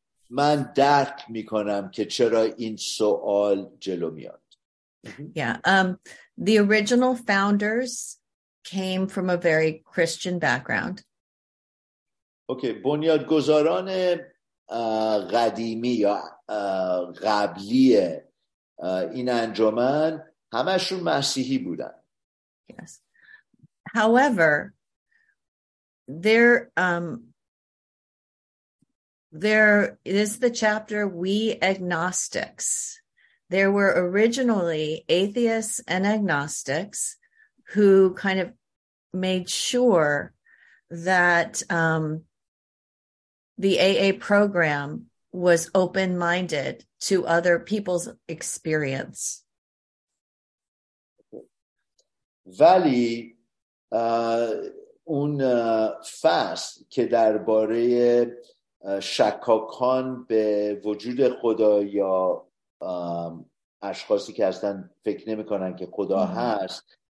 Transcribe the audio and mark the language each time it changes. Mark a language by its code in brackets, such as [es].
[fa] من درک میکنم که چرا این سوال جلو میاد. [en] Yeah, the original founders came from a very Christian background. [fa] Okay, بنیادگذاران قدیمی یا قبلی این انجمن همشون مسیحی بودن. [en] Yes. However, there is the chapter We Agnostics. There were originally atheists and agnostics who kind of made sure that the AA program was open-minded to other people's experience. [fa] Vali, un fast ke darbare شکاکان به وجود خدا یا اشخاصی که اصلا فکر نمی کنن که خدا هست،